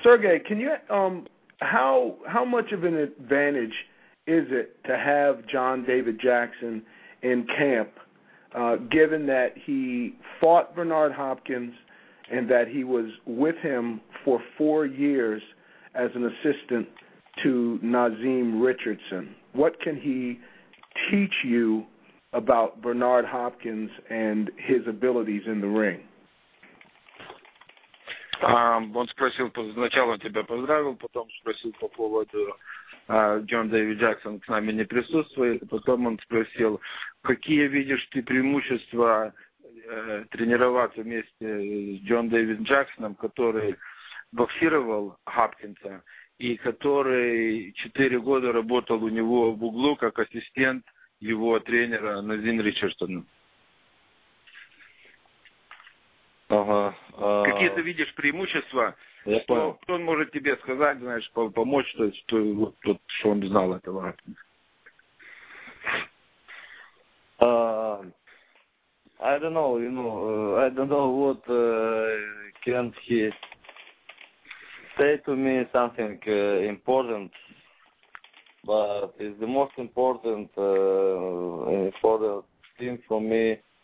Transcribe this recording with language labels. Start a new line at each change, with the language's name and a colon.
English: Sergey, can you how much of an advantage is it to have John David Jackson in camp, given that he fought Bernard Hopkins and that he was with him for 4 years as an assistant to Nazim Richardson. What can he teach you about Bernard Hopkins and his abilities in the ring?
Russian: Он спросил, сначала тебя поздравил, потом спросил по поводу, Джон Дэвид Джексон к нами не присутствует, потом он спросил, какие видишь ты преимущества тренироваться вместе с Джон Дэвид Джексоном, который боксировал Хопкинса и который 4 года работал у него в углу как ассистент его тренера Назин Ричардсона. Какие ты видишь преимущества? Что он может тебе сказать, знаешь, помочь, что он знал этого?
English: I don't know what can he say to me something important, but it's the most important important thing for me.